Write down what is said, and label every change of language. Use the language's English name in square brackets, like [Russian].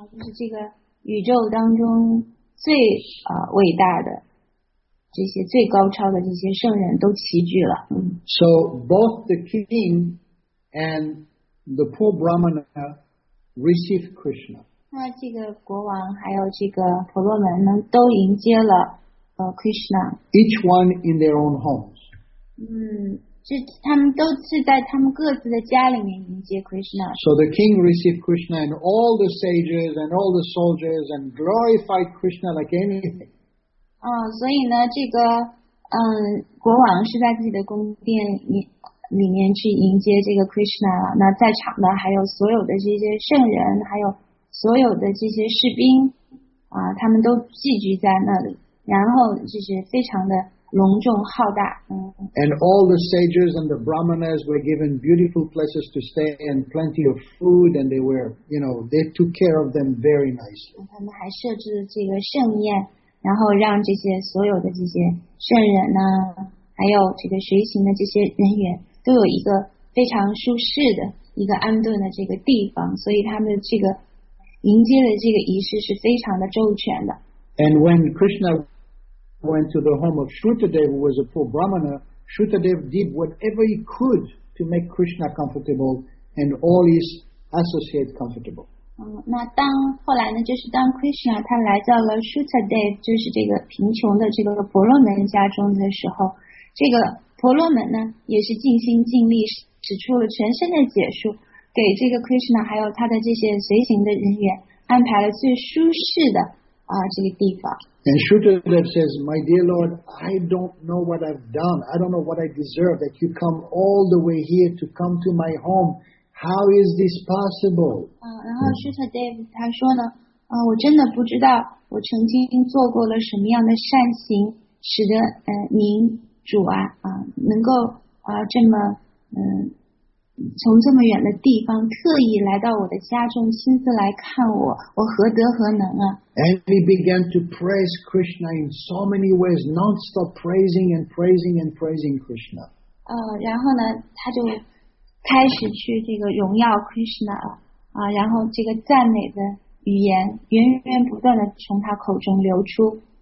[Chinese] 就是这个宇宙当中最伟大的这些最高超的这些圣人都齐聚了。 [English] So both the king and the poor brahmana received Krishna. [Chinese] 那这个国王还有这个婆罗门呢，都迎接了Krishna. [English] Each one in their own homes. [Chinese] 就他们都是在他们各自的家里面迎接 Krishna. [English] So the king received Krishna and all the sages and all the soldiers and glorified Krishna like anything. [Chinese] 所以呢，这个国王是在自己的宫殿里面去迎接这个 Krishna 了。那在场的还有所有的这些圣人，还有所有的这些士兵他们都聚集在那里，然后就是非常的。隆重浩大。 [English] And all the sages and the brahmanas were given beautiful places to stay and plenty of food, and they were, you know, they took care of them very nicely. [Chinese] 他们还设置了这个盛宴，然后让这些所有的这些圣人呢，还有这个随行的这些人员，都有一个非常舒适的一个安顿的这个地方，所以他们这个迎接的这个仪式是非常的周全的。 [English] And when Krishna went to the home of Shrutadeva, who was a poor brahmana, Shrutadeva did whatever he could to make Krishna comfortable and all his associates comfortable. [Chinese] 那当后来呢，就是当 Krishna 他来到了 Shrutadeva, 就是这个贫穷的这个婆罗门家中的时候，这个婆罗门呢也是尽心尽力使出了全身的解数，给这个 Krishna 还有他的这些随行的人员安排了最舒适的这个地方。 [English] And Shrutadev says, My dear Lord, I don't know what I've done. I don't know what I deserve that you come all the way here to come to my home. How is this possible? [Chinese] 然后 Shrutadev 他说呢，我真的不知道我曾经做过了什么样的善行，使得您主能够这么从这么远的地方特意来到我的家中亲自来看我，我何德何能啊。 [English] And he began to praise Krishna in so many ways, non-stop praising and praising and praising Krishna. [Chinese] 然后呢他就开始去这个荣耀 Krishna 然后这个赞美的语言源源不断的从他口中流出。